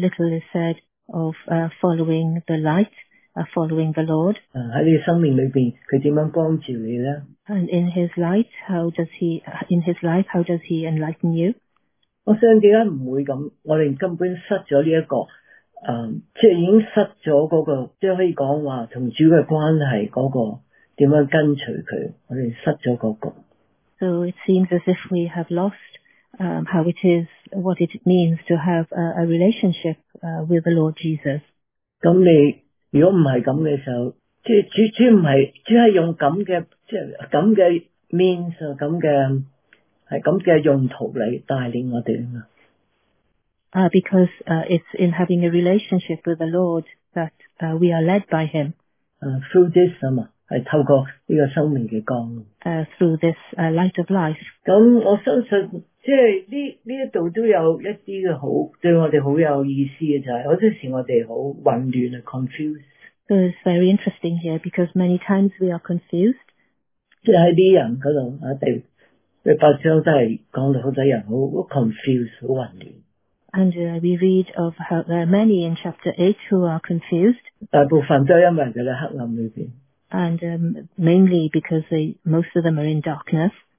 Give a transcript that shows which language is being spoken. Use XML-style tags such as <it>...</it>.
<en>little is said of following the light, following the Lord.</en> <zh>在你的生命里面, 祂怎样帮助你呢?</zh> <en>And in his light, how does he, in his life, how does he enlighten you?</en> <zh>我相信为什么不会这样?我们根本失了这个, 即已经失了那个, 即可以说话, 和主的关系那个, 怎样跟随祂, 我们失了那个。</zh> <en>So it seems as if we have lost how it is, what it means to have a relationship with the Lord Jesus.</en> <zh>那你, 如果不是这样的时候,主要是用这样的means,这样的用途来带领我们。</zh> <en>Because it's in having a relationship with the Lord that we are led by Him.</en> <zh>Through this, 是透过这个生命的光。</zh> <en>Through this light of life.</en> <zh>我相信,这里都有一些好,对我们很有意思的,就是有些时候我们很混乱,confused。</zh> <en>So it's very interesting here because many times we are confused.</en> <zh>在这些人那里,第八章都是讲到很多人很confused,很混乱。</zh> <en>And we read of how many in chapter 8 who are confused.</en> <zh>大部分都因为他们在黑暗里面。</zh> <en>And mainly because they, most of them are in darkness.</en>